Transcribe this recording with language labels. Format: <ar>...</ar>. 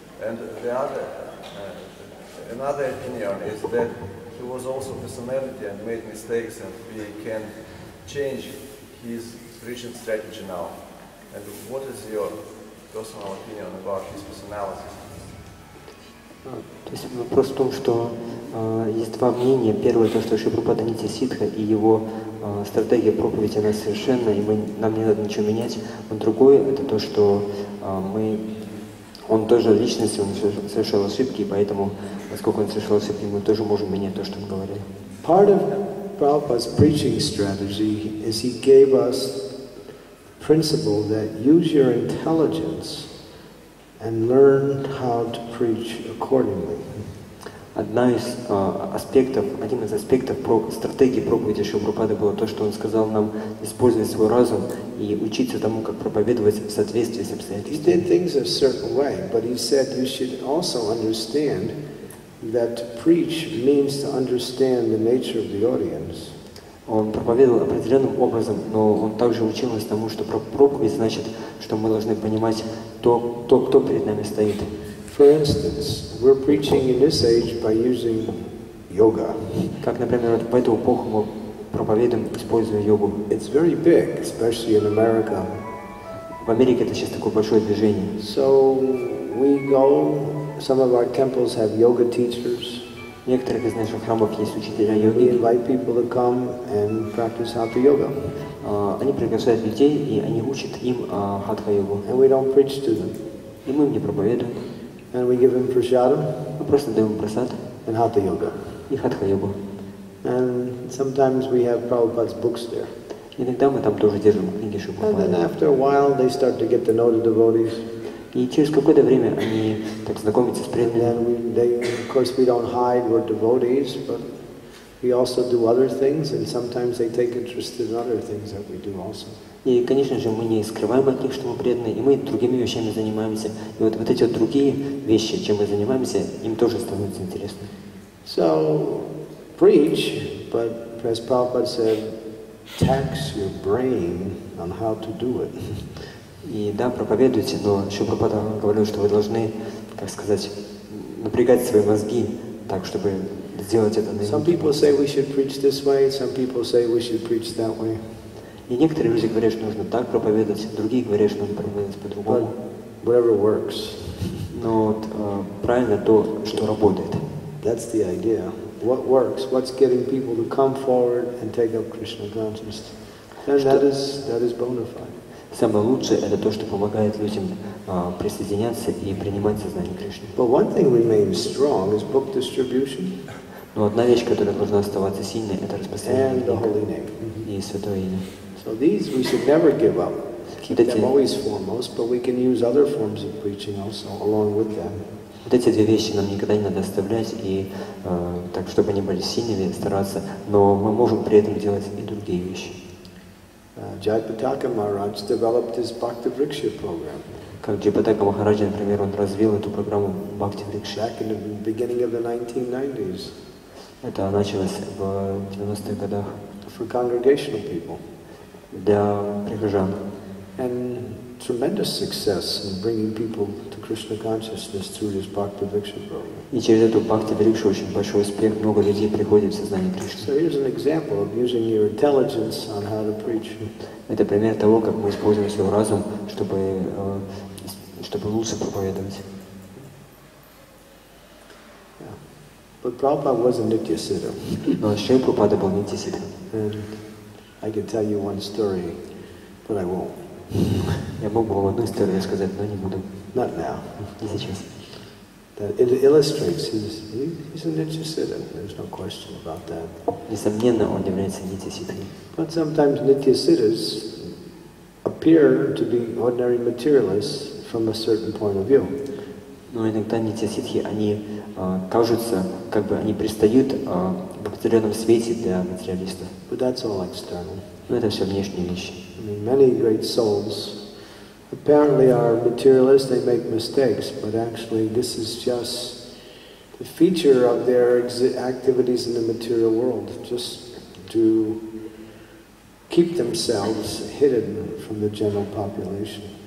<en>And the other, another opinion is that he was also personality and made mistakes and we can change his preaching strategy now. And what is your personal opinion about his personality?</en> <ru>То есть вопрос в том, что есть два мнения. Первое, то, что Шри Прабхупада Нитья-сиддха и его стратегия проповеди, она совершенна, и нам не надо ничего менять. Но другое, это то, что он тоже личность, он совершал ошибки, и поэтому, поскольку он совершал ошибки, мы тоже можем менять то, что он говорил.</ru> <en>Part of Prabhupada's preaching strategy is he gave us principle that use your intelligence and learn how to preach accordingly.</en> <ru>Одна из аспектов, один из аспектов стратегии проповеди Шри Прабхупады было то, что он сказал нам использовать свой разум и учиться тому, как проповедовать в соответствии с обстоятельствами.</ru> <en>He did things a certain way, but he said you should also understand that to preach means to understand the nature of the audience.</en> <ru>Он проповедовал определенным образом, но он также учил нас тому, что проповедь значит, что мы должны понимать то, кто перед нами стоит.</ru> <en>For instance, we're preaching in this age by using yoga.</en> <ru>Как, например, в эту эпоху мы проповедуем, используя йогу.</ru> <en>It's very big, especially in America.</en> <ru>В Америке это сейчас такое большое движение.</ru> <en>So we go, some of our temples have yoga teachers.</en> <ru>некоторых из наших храмов есть учителя йоги.</ru> <en>We invite people to come and practice hatha yoga.</en> <ru>Они приглашают людей, и они учат им хатха йогу.</ru> <en>And we don't preach to them.</en> <ru>И мы им не проповедуем.</ru> <en>And we give them prasadam.</en> <ru>Мы просто даем прасад.</ru> <en>And hatha yoga.</en> <ru>И хатха йогу.</ru> <en>And sometimes we have Prabhupada's books there.</en> <ru>Иногда мы там тоже держим книги Шрилы.</ru> <en>And then after a while, they start to get to know the devotees.</en> <ru>И через какое-то время они так знакомятся с преданными.</ru> <en>Of course, we don't hide we're devotees, but we also do other things, and sometimes they take interest in other things that we do also.</en> <ru>И, конечно же, мы не скрываем от них, что мы преданные, и мы другими вещами занимаемся. И вот, вот эти вот другие вещи, чем мы занимаемся, им тоже становится интересно.</ru> <en>So, preach, but as Prabhupada said, tax your brain on how to do it.</en> <ru>И да, проповедуйте, но еще Прабхупада говорил, что вы должны, как сказать, напрягать свои мозги так, чтобы сделать это наилучшим.</ru> <en>Some people say we should preach this way, some people say we should preach that way.</en> <ru>И некоторые люди говорят, что нужно так проповедовать, другие говорят, что нужно проповедовать по-другому.</ru> <en>Whatever works.</en> <ru>Но вот, правильно то, что работает.</ru> <en>That's the idea. What works? What's getting people to come forward and take up Krishna consciousness? And that is bona fide.</en> <ru>Самое лучшее – это то, что помогает людям присоединяться и принимать сознание Кришны.</ru> <en>But one thing remains strong is book distribution.</en> <ru>Но одна вещь, которая должна оставаться сильной – это распространение книг.</ru> <en>And the holy name.</en> <ru>И святое имя.</ru> <en>So these we should never give up. Keep them always foremost, but we can use other forms of preaching also along with them.</en> <ru>Вот эти две вещи нам никогда не надо оставлять, и так, чтобы они были сильными, стараться. Но мы можем при этом делать и другие вещи.</ru> <en>Jayapataka Maharaj developed his Bhakti Vriksha program.</en> <ru>Как Jayapataka Maharaj, например, он развил эту программу Bhakti Vriksha.</ru> <en>Back in the beginning of the 1990s.</en> <ru>Это началось в 90-х годах.</ru> <en>For congregational people.</en> <ru>Для прихожан.</ru> <en>And tremendous success in bringing people to Krishna consciousness through this Bhakti Vriksha program.</en> <ru>И через эту Бхакти Врикшу очень большой успех, много людей приходит в сознание Кришны.</ru> <en>So here's an example of using your intelligence on how to preach.</en> <ru>Это пример того, как мы используем свой разум, чтобы лучше проповедовать.</ru> <en>Yeah. But Prabhupada was a Nityasiddha.</en> <ru>Но Шрила Прабхупада был Нитья-сиддха.</ru> <en>I can tell you one story, but I won't.</en> <ru>Я мог бы вам одну историю рассказать, но не буду.</ru> <en>Not now.</en> <ru>Не сейчас.</ru> <en>That it illustrates he's a Nityasiddha. There's no question about that.</en> <ru>Несомненно, он является Нитья-сиддхой.</ru> <en>But sometimes Nityasiddhas appear to be ordinary materialists from a certain point of view.</en> <ru>Но иногда Нитья-сиддхи, они кажутся, как бы они пристают в определенном свете для материалистов.</ru> <en>But that's all external.</en> <ru>Но это все внешние вещи.</ru> <en>I mean, many great souls apparently are materialists, they make mistakes, but actually this is just the feature of their activities in the material world, just to keep themselves hidden from the general population.</en>